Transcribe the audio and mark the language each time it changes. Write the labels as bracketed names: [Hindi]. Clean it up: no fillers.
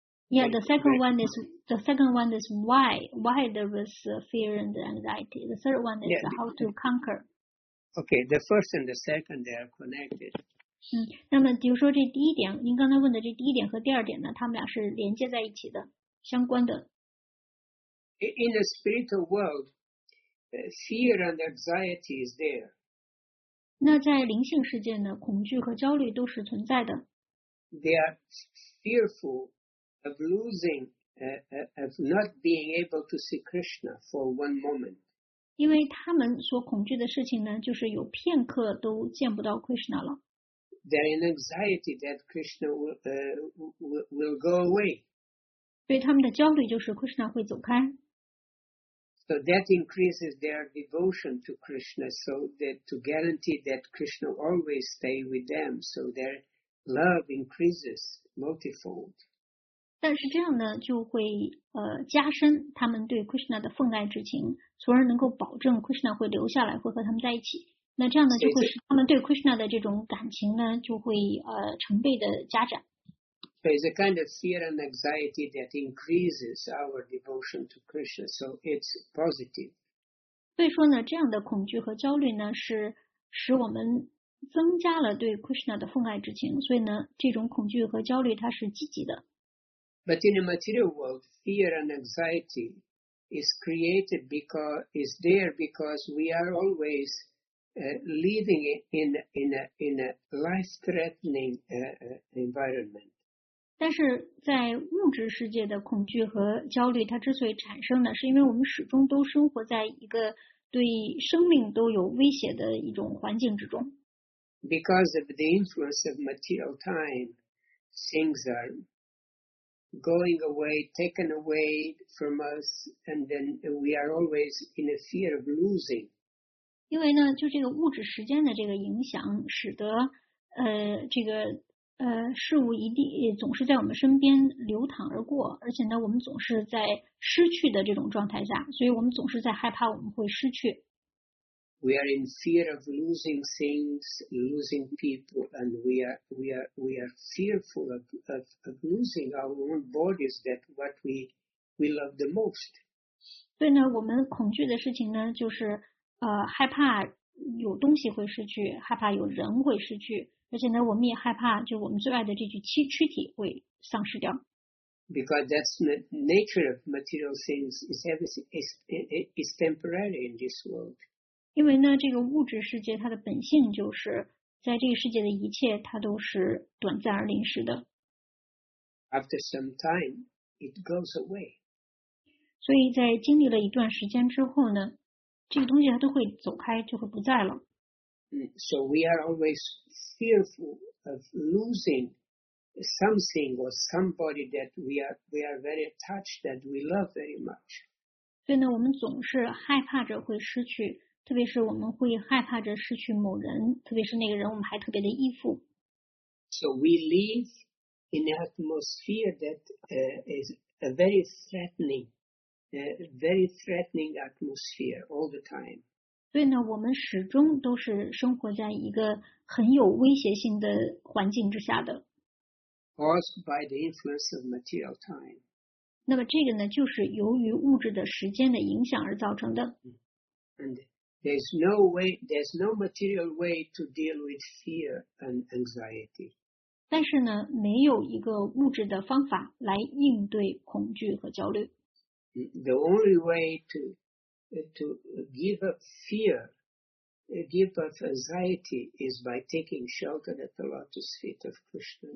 [English] Yeah, the second one is why there was fear and anxiety. The third one is how to conquer. Okay, the first and the second, they are connected. [Chinese] 那么比如说这第一点，您刚才问的这第一点和第二点呢，他们俩是连接在一起的，相关的。 [English] In the spiritual world, fear and anxiety is there. [Chinese] 那在灵性世界呢，恐惧和焦虑都是存在的。 [English] They are fearful of losing, of not being able to see Krishna for one moment. [Chinese] 因为他们所恐惧的事情呢，就是有片刻都见不到 Krishna 了。 [English] They're in anxiety that Krishna will go away. [Chinese] 对他们的焦虑就是 Krishna 会走开。 [English] So that increases their devotion to Krishna, so that to guarantee that Krishna always stay with them, so their love increases multifold. [Chinese] 但是这样呢，就会加深他们对 Krishna 的奉爱之情，从而能够保证 Krishna 会留下来，会和他们在一起。那这样呢，就会使他们对 Krishna 的这种感情呢，就会成倍的加展。 [English] So it's a kind of fear and anxiety that increases our devotion to Krishna, so it's positive. [Chinese] 所以说呢，这样的恐惧和焦虑呢，是使我们增加了对 Krishna 的奉爱之情，所以呢，这种恐惧和焦虑它是积极的。 [English] But in the material world, fear and anxiety is created because is there because we are always living in a life-threatening environment. [Chinese] 但是在物质世界的恐惧和焦虑，它之所以产生呢，是因为我们始终都生活在一个对生命都有威胁的一种环境之中。 [English] Because of the influence of material time, things are going away, taken away from us, and then we are always in a fear of losing. [Chinese] 因为呢，就这个物质时间的这个影响，使得这个事物一定总是在我们身边流淌而过，而且呢，我们总是在失去的这种状态下，所以我们总是在害怕我们会失去。 [English] We are in fear of losing things, losing people, and we are fearful of losing our own bodies, that what we love the most. [Chinese] 所以呢，我们恐惧的事情呢，就是。害怕有东西会失去，害怕有人会失去，而且呢，我们也害怕，就我们最爱的这具躯体会丧失掉。 [English] Because that's the nature of material things is everything is temporary in this world. [Chinese] 因为呢，这个物质世界它的本性就是在这个世界的一切它都是短暂而临时的。 [English] After some time, it goes away. [Chinese] 所以在经历了一段时间之后呢？这个东西它都会走开，就会不在了。 [English] So we are always fearful of losing something or somebody that we are very attached that we love very much. [Chinese] 所以呢，我们总是害怕着会失去，特别是我们会害怕着失去某人，特别是那个人我们还特别的依附。 [English] So we live in an atmosphere that is a very threatening. Very threatening atmosphere all the time. [Chinese] 所以呢，我们始终都是生活在一个很有威胁性的环境之下的。 [English] Caused by the influence of material time. [Chinese] 那么这个呢，就是由于物质的时间的影响而造成的。 [English] And there's no way, there's no material way to deal with fear and anxiety. [Chinese] 但是呢，没有一个物质的方法来应对恐惧和焦虑。 [English] The only way to to give up fear, give up anxiety is by taking shelter at the lotus feet of Krishna.